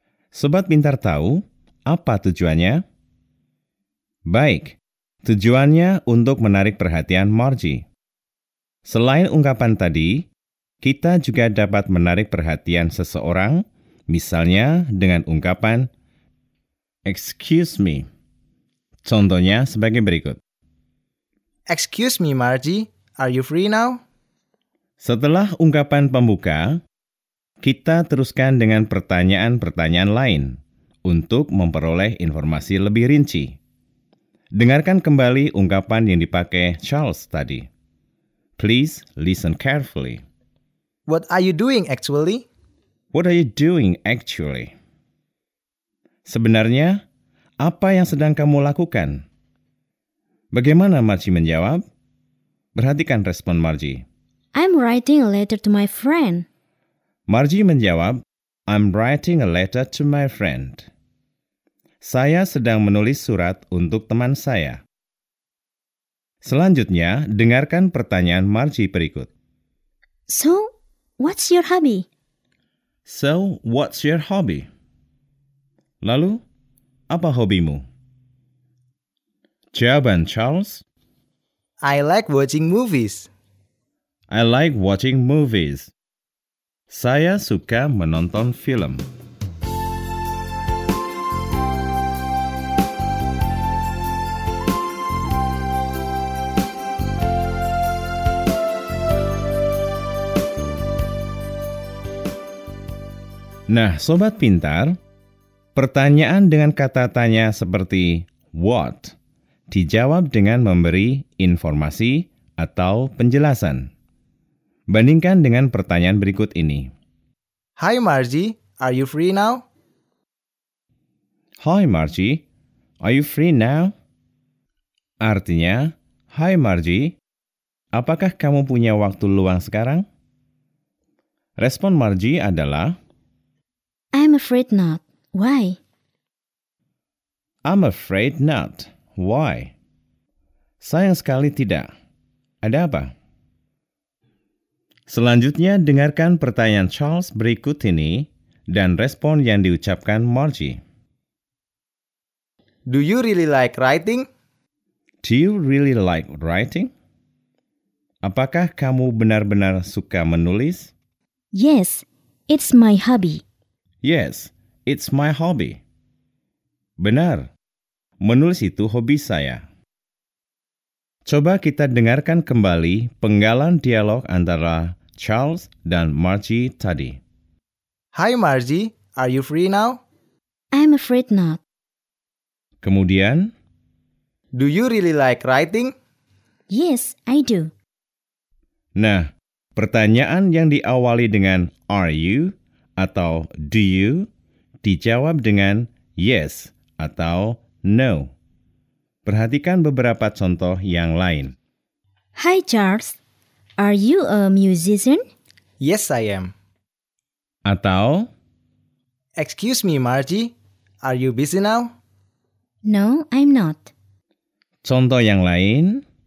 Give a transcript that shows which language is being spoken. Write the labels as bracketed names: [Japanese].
[Indonesian] Sobat Pintar tahu apa tujuannya? Baik, tujuannya untuk menarik perhatian Margie. Selain ungkapan tadi, kita juga dapat menarik perhatian seseorang, misalnya dengan ungkapan, [English] "Excuse me." [Indonesian] Contohnya sebagai berikut. [English] "Excuse me, Margie, are you free now?" [Indonesian] Setelah ungkapan pembuka, kita teruskan dengan pertanyaan-pertanyaan lain untuk memperoleh informasi lebih rinci. Dengarkan kembali ungkapan yang dipakai Charles tadi. [English] Please listen carefully. What are you doing actually? What are you doing actually? [Indonesian] Sebenarnya, apa yang sedang kamu lakukan? Bagaimana Margie menjawab? Perhatikan respon Margie. [English] I'm writing a letter to my friend. [Indonesian] Margie menjawab, [English] I'm writing a letter to my friend. [Indonesian] Saya sedang menulis surat untuk teman saya. Selanjutnya, dengarkan pertanyaan Margie berikut. [English] So, what's your hobby? So, what's your hobby? [Indonesian] Lalu, apa hobimu? Jawaban Charles. [English] I like watching movies. I like watching movies. [Indonesian] Saya suka menonton film. Nah, sobat pintar, pertanyaan dengan kata tanya seperti what dijawab dengan memberi informasi atau penjelasan. Bandingkan dengan pertanyaan berikut ini. [English] Hi Margie, are you free now? Hi Margie, are you free now? [Indonesian] Artinya, hi Margie, apakah kamu punya waktu luang sekarang? Respon Margie adalah, [English] I'm afraid not. Why? I'm afraid not. Why? [Indonesian] Sayang sekali tidak. Ada apa? Selanjutnya, dengarkan pertanyaan Charles berikut ini dan respon yang diucapkan Margie. [English] Do you really like writing? Do you really like writing? [Indonesian] Apakah kamu benar-benar suka menulis? [English] Yes, it's my hobby. Yes, it's my hobby. [Indonesian] Benar, menulis itu hobi saya. Coba kita dengarkan kembali penggalan dialog antara Charles dan Margie tadi. [English] Hi Margie, are you free now? I'm afraid not. [Indonesian] Kemudian, [English] do you really like writing? Yes, I do. [Indonesian] Nah, pertanyaan yang diawali dengan are you atau do you dijawab dengan yes atau no. Perhatikan beberapa contoh yang lain. [English] Hi Charles, are you a musician? Yes, I am. [Indonesian] Atau, [English] excuse me, Margie, are you busy now? No, I'm not. [Indonesian] Contoh yang lain.